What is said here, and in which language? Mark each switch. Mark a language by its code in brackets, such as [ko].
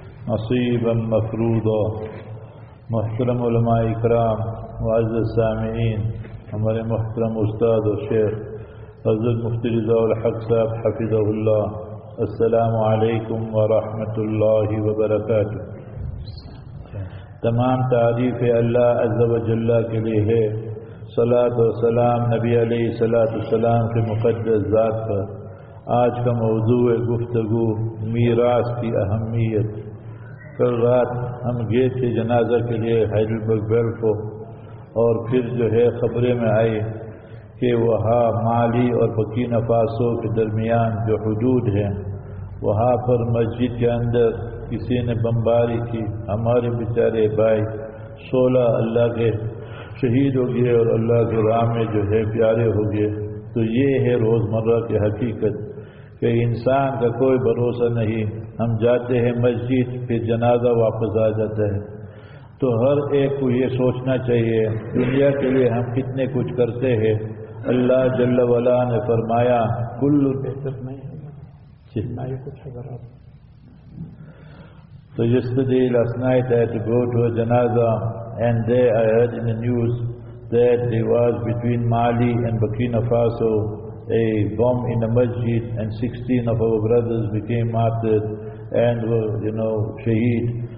[ar] نصيبا مفروضا. محترم علماء الكرام وعز السامعين، عمر محترم أستاذ الشيخ حضرت مفتي رضا الحق صاحب حفظه الله، السلام عليكم ورحمة الله وبركاته. [ur] تمام تعریف اللہ عز و جل کے لیے ہے، صلاۃ و سلام نبی علیہ الصلاۃ والسلام کے مقدس ذات پر. آج کا موضوع ہے گفتگو میراث کی اہمیت. کل رات ہم گئے تھے جنازہ کے لیے ہائیڈلبرگ ویل کو، اور پھر جو ہے خبریں میں آئی کہ وہاں مالی اور بکینا فاسو کے درمیان جو حدود ہیں وہاں پر مسجد کے اندر کسی نے بمباری کی، ہمارے بیچارے بھائی 16 اللہ کے شہید ہو گئے اور اللہ کے راہ میں جو ہے پیارے ہو گئے. تو یہ ہے روزمرہ کی حقیقت کہ انسان کا کوئی بھروسہ نہیں. ہم جاتے ہیں مسجد پھر جنازہ واپس آ جاتا ہے. تو ہر ایک کو یہ سوچنا چاہیے دنیا کے لیے ہم کتنے کچھ کرتے ہیں. اللہ جل وعلا نے فرمایا کل بہتر نہیں ہے [en] So yesterday, last night, I had to go to a janaza, and there I heard in the news that there was between Mali and Burkina Faso a bomb in the masjid, and 16 of our brothers became martyred and were, you know, shaheed.